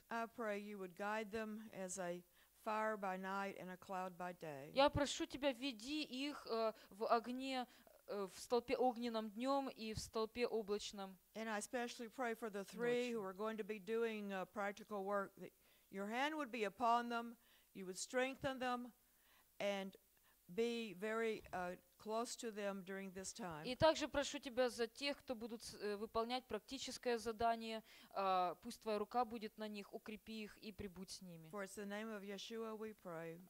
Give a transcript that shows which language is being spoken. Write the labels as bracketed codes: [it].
[en] I pray you would guide them as a fire by night and a cloud by day. [ru] Я прошу тебя, веди их в огне, в столпе огненном днем и в столпе облачном. [en] And I especially pray for the three who are going to be doing practical work, that your hand would be upon them, you would strengthen them, and be very close to them during this time. [ru] И также прошу тебя за тех, кто будут выполнять практическое задание, пусть твоя рука будет на них, укрепи их и прибудь с ними. [en] For it's the name of Yeshua we pray.